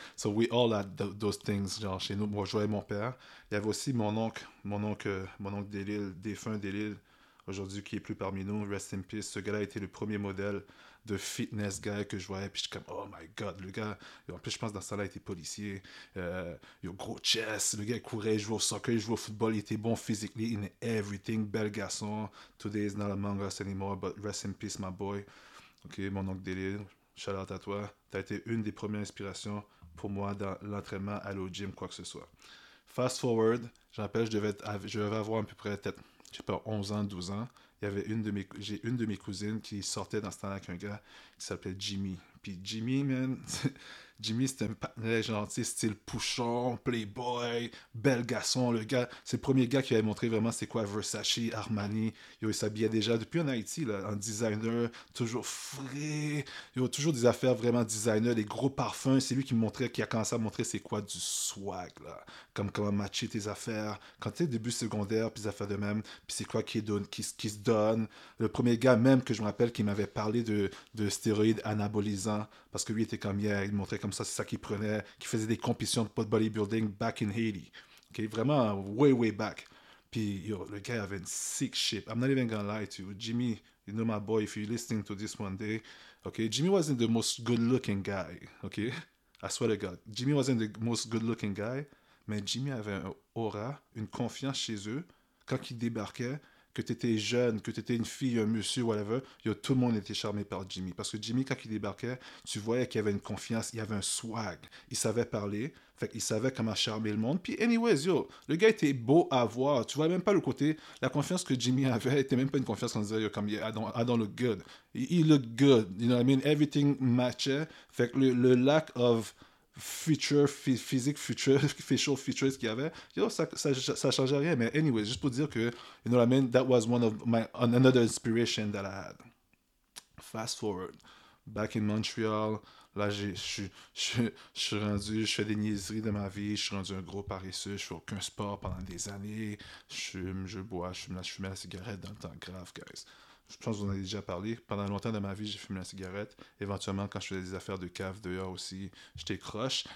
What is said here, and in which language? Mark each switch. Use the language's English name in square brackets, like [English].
[English] So we all had those things, [French] genre chez nous. Moi, je jouais mon père. Il y avait aussi mon oncle Delil, défunt Delil, aujourd'hui, qui est plus parmi nous. [English] Rest in peace. [French] Ce gars-là a été le premier modèle de fitness guy que je voyais. Puis je suis comme, [English] oh my god, [French] le gars. Et en plus, je pense que dans ce temps-là, il était policier. Il a un gros chest. Le gars courait, il jouait au soccer, il jouait au football. Il était bon [English] physically in everything. [French] Bel garçon. [English] Today is not among us anymore, but rest in peace, my boy. [French] OK, mon oncle Delil, shout out à toi. T'as été une des premières inspirations pour moi dans l'entraînement, aller au gym, quoi que ce soit. Fast forward, j'appelle, je devais avoir à peu près peut-être, je sais pas, 11 ans, 12 ans. J'ai une de mes cousines qui sortait dans ce temps-là avec un gars qui s'appelait Jimmy. Puis Jimmy, man, Jimmy, c'était un partenaire gentil, style Pouchon, Playboy, bel garçon, le gars. C'est le premier gars qui avait montré vraiment c'est quoi Versace, Armani. Yo, il s'habillait déjà depuis en Haïti, là, en designer, toujours frais. Yo, toujours des affaires vraiment designer, des gros parfums. C'est lui qui a commencé à montrer c'est quoi du swag, là. Comme comment matcher tes affaires. Quand t'es début secondaire, puis des affaires de même, puis c'est quoi qui se donne. Le premier gars même que je me rappelle qui m'avait parlé de stéroïdes anabolisants. Parce que lui était comme hier, il montrait comme ça, c'est ça qu'il prenait, qu'il faisait des compétitions de bodybuilding [English] back in Haiti. [French] Okay? Vraiment, way, way back. Puis, yo, le gars avait une [English] sick shape. I'm not even gonna lie to you. Jimmy, you know my boy, if you're listening to this one day, okay? Jimmy wasn't the most good looking guy. Okay? I swear to God. Jimmy wasn't the most good looking guy, [French] mais Jimmy avait un aura, une confiance chez eux quand il débarquait. Que tu étais jeune, que tu étais une fille, un monsieur, whatever, yo, tout le monde était charmé par Jimmy. Parce que Jimmy, quand il débarquait, tu voyais qu'il avait une confiance, il avait un swag. Il savait parler, fait qu'il savait comment charmer le monde. Puis, anyways, yo, le gars était beau à voir. Tu vois même pas le côté, la confiance que Jimmy avait était même pas une confiance qu'on disait, yo, comme, [English] I don't look good. He looked good, you know what I mean? Everything matchait. [French] Fait que le [English] lack of facial features [French] qu'il y avait, yo, ça changeait rien. Mais anyway, juste pour dire que, [English] you know what I mean, that was one of my, another inspiration that I had. [French] Fast forward, back in Montreal, là, je suis rendu, je fais des niaiseries de ma vie, je suis rendu un gros paresseux, je fais aucun sport pendant des années, je fumais la cigarette dans le temps, grave, guys. Je pense que vous en avez déjà parlé. Pendant longtemps de ma vie, j'ai fumé la cigarette. Éventuellement, quand je faisais des affaires de cave dehors aussi, j'étais croche.